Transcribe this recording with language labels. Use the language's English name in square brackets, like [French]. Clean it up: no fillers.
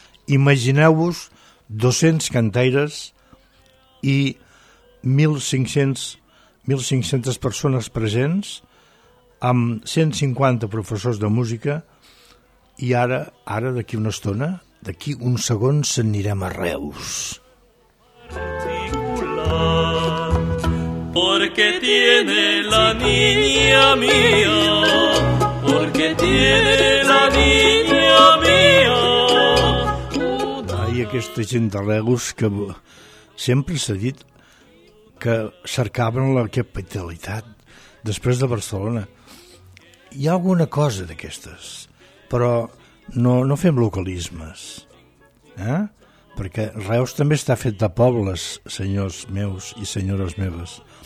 [Catalan] Imagineu-vos 200 cantaires i 1.500 persones presents, amb 150 professors de música, i ara d'aquí una estona, d'aquí un segon, s'anirem a Reus. [Spanish] Porque tiene la niña mía, porque tiene la niña mía. [Catalan] Ai, aquesta gent de Reus que sempre s'ha dit que cercaven la capitalitat després de Barcelona. Hi ha alguna cosa d'aquestes, però no fem localismes, perquè Reus també està fet de pobles, senyors meus i senyores meves.